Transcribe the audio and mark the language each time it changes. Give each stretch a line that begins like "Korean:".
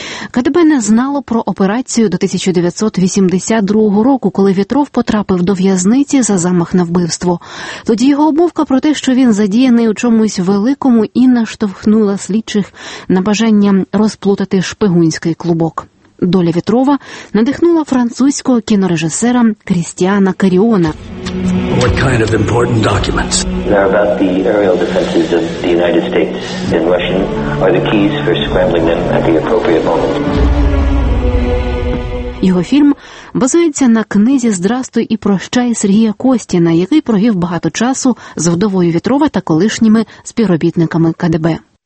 Ukrainian: КДБ не знало про операцію до 1982 року, коли Вітров потрапив до в'язниці за замах на вбивство. Тоді його обмовка про те, що він задіяний у чомусь великому, і наштовхнула слідчих на бажання розплутати шпигунський клубок. Доля Вітрова надихнула французького кінорежисера Крістіана Каріона.
English: What kind of important documents? They're about the aerial defenses of the United States and Russian are the keys for scrambling them at the appropriate moment.
Ukrainian: Його фільм базується на книзі «Здрастуй і прощай» Сергія Костіна, який провів багато часу з вдовою Вітрова та колишніми співробітниками КДБ.